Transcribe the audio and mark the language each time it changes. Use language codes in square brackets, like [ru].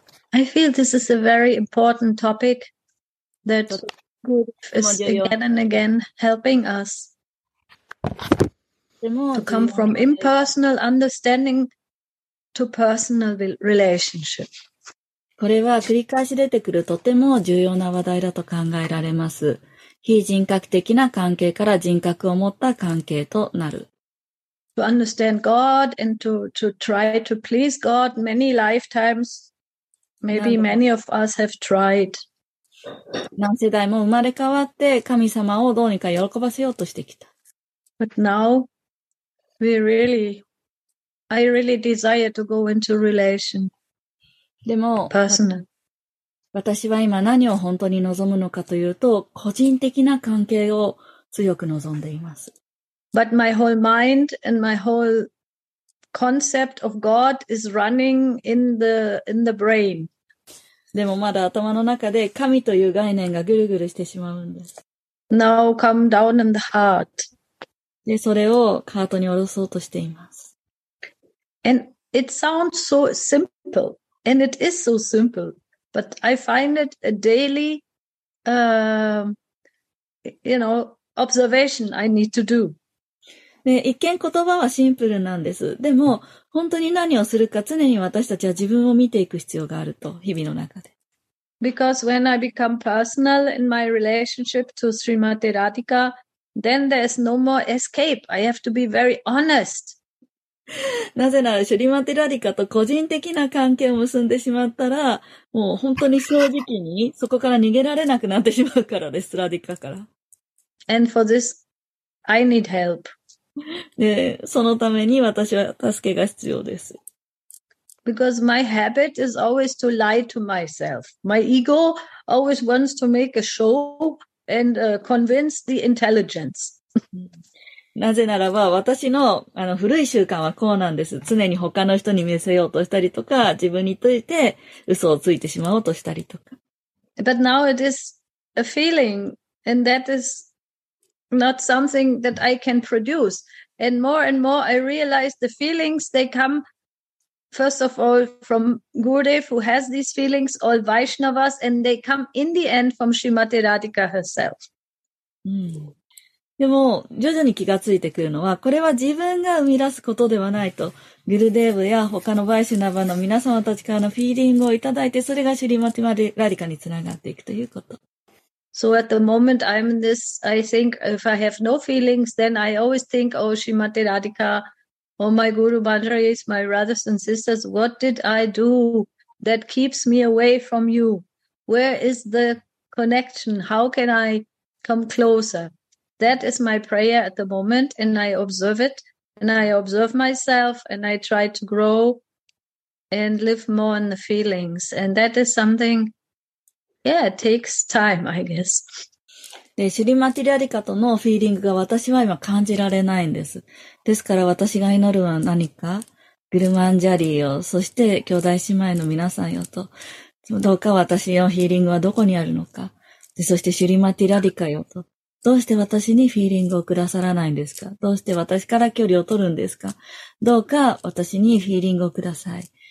[en] I feel this is a very important topic that is again and again helping us to come from impersonal understanding to personal relationship. [ja] これは繰り返し出てくるとても重要な話題だと考えられます。非人格的な関係から人格を持った関係となる。 [en] To understand God and to try to please God many lifetimes, maybe many of us have tried. [ja] 何世代も生まれ変わって神様をどうにか喜ばせようとしてきた。 [en] But now, we really, I really desire to go into relation. [ja] でも、 [en] personal. [ja] 私は今何を本当に望むのかというと、個人的な関係を強く望んでいます。 [en] But my whole mind and my whole concept of God is running in the brain. [ja] でもまだ頭の中で神という概念がぐるぐるしてしまうんです。 [en] Now come down in the heart. [ja] で、それをハートに下ろそうとしています。 [en] And it sounds so simple. And it is so simple. But I find it a daily, observation I need to do. [ja] で、一見言葉はシンプルなんです。でも、本当に何をするか常に私たちは自分を見ていく必要があると、日々の中で。 [en] Because when I become personal in my relationship to Srimati Radhika, then there's no more escape. I have to be very honest. [ja] なぜなら、Srimati Radhika と個人的な関係を結んでしまったら、もう本当に正直にそこから逃げられなくなってしまうからです、Radhika から。 [en] And for this, I need help. [ja] で、そのために私は助けが必要です。 [en] Because my habit is always to lie to myself. My ego always wants to make a show and convince the intelligence. [ja] なぜならば私の古い習慣はこうなんです。常に他の人に見せようとしたりとか、自分について嘘をついてしまおうとしたりとか。 [en] But now it is a feeling, and that is not something that I can produce. And more I realize the feelings, they come... First of all, from Gurudev, who has these feelings, all Vaishnavas, and they come in the end from Srimati Radhika herself. [ja] でも徐々に気がついてくるのは、これは自分が生み出すことではないと、グルデーブや他のバイシュナバの皆様たちからのフィーリングをいただいて、それがシュリマティマラディカにつながっていくということ。 [en] So at the moment I'm in this, I think if I have no feelings, then I always think, oh, Shrimati Radhika, oh, my Guru Bhandaris, my brothers and sisters, what did I do that keeps me away from you? Where is the connection? How can I come closer? That is my prayer at the moment, and I observe it, and I observe myself, and I try to grow and live more in the feelings. And that is something... Yeah, it takes time, I guess. [ja] で、シュリマティラリカとのフィーリングが私は今感じられないんです。ですから私が祈るは何か、グルマンジャリーを、そして兄弟姉妹の皆さんよと、どうか私のフィーリングはどこにあるのか、でそしてシュリマティラリカよと、どうして私にフィーリングをくださらないんですか、どうして私から距離を取るんですか、どうか私にフィーリングをください。